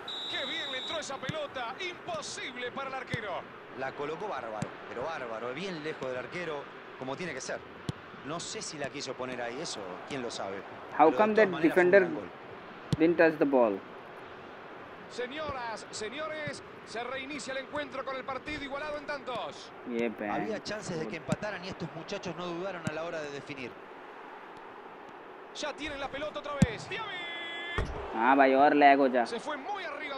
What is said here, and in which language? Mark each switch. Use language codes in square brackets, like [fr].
[es] Qué bien le entró esa pelota, imposible para el arquero. La colocó bárbaro, pero bárbaro, bien lejos del arquero, como tiene que ser. No sé si la quiso poner ahí, eso, quién lo sabe. [en] How come that defender didn't touch the ball? [es] Señoras, señores, se reinicia el encuentro con el partido igualado en tantos. Yep, había chances de que empataran y estos muchachos no dudaron a la hora de definir. Ya tienen la pelota otra vez. Ah, mayor lego ya. Se fue muy arriba